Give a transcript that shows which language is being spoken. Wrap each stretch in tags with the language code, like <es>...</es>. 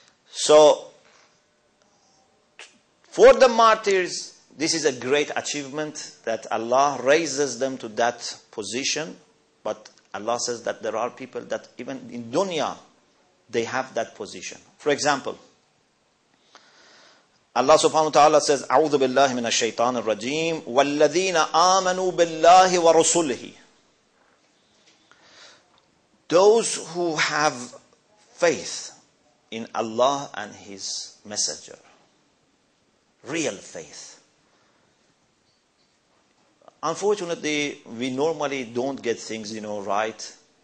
<en>So, for the martyrs, this is a great achievement that Allah raises them to that position. But Allah says that there are people that even in dunya, they have that position. For example, Allah subhanahu wa ta'ala says,</en> <ar>أعوذ بالله من الشيطان الرجيم والذين آمنوا بالله ورسله.</ar> <en>Those who have faith in Allah and His Messenger. Real faith. Unfortunately, we normally don't get things, you know, right.</en>